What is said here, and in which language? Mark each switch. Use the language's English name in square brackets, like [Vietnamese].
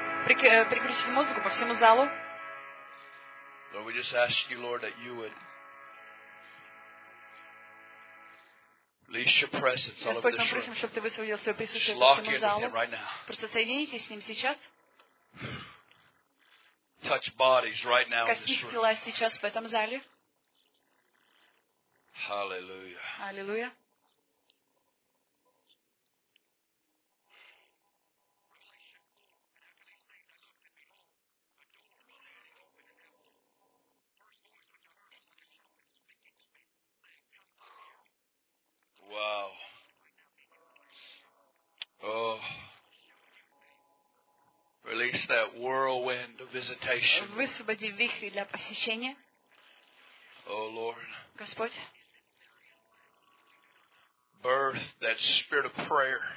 [Russian] Переключите музыку по всему залу. [English] Lord, we just ask you, Lord, that you would release your presence all over this room. [Russian] Господь, мы просим, чтобы ты высвободил свое присутствие по всему залу. Просто соединитесь с ним сейчас. [English] Touch bodies right now in this room. [Russian] Коснитесь тела сейчас в этом зале. [English] Hallelujah. Hallelujah. Wow. Oh. Release that whirlwind of visitation. [Russian] Высвободи вихри для посещения. [English] Oh Lord. [Russian] Господь. [English] Birth that spirit of prayer.